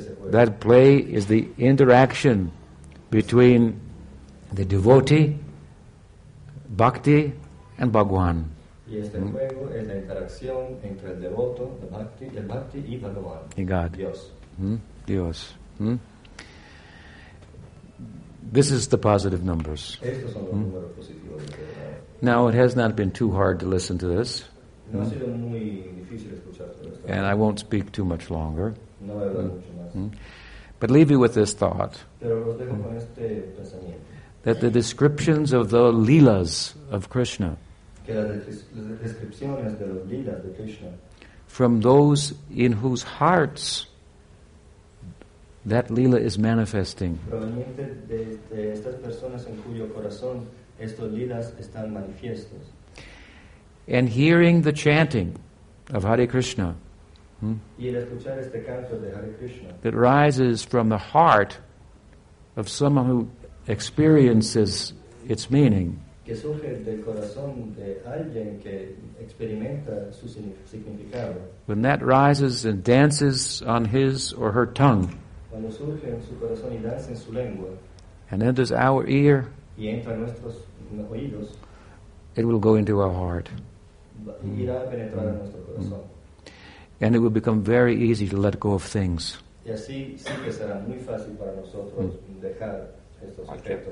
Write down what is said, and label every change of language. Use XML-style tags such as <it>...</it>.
<en>That play is the interaction between the devotee Bhakti and Bhagwan.</en> <es>Y este juego es la interacción entre el devoto, el Bhakti y Bhagwan. Y God. Dios. Dios.</es> <en>This is the positive numbers.</en> <es>Estos son los números positivos.</es> <en>Now, it has not been too hard to listen to this.</en> <es>No ha sido muy difícil escuchar todo esto.</es> <en>And I won't speak too much longer.</en> <es>No voy a hablar mucho más.</es> <en>But leave you with this thought.</en> <es>Pero los dejo con este pensamiento.</es> <en>That the descriptions of the lilas of Krishna,</en> <es>que las descripciones de los lilas de Krishna,</es> <en>from those in whose hearts that lila is manifesting,</en> <es>proveniente de estas personas en cuyo corazón estos lilas están manifiestos,</es> <en>and hearing the chanting of Hare Krishna,</en> <es>y el escuchar este canto de Hare Krishna,</es> <en>that rises from the heart of someone who experiences its meaning,</en> <es>que surge del corazón de alguien que experimenta su significado,</es> <en>when that rises and dances on his or her tongue,</en> <es>cuando surge en su corazón y danza en su lengua,</es> <en>and enters our ear,</en> <es>y entra en nuestros oídos,</es> <en>it will go into our heart.</en> <es>Irá a penetrar en nuestro corazón.</es> <en>And it will become very easy to let go of things.</en> <es>Y así sí que será muy fácil para nosotros dejar estos objetos,</es>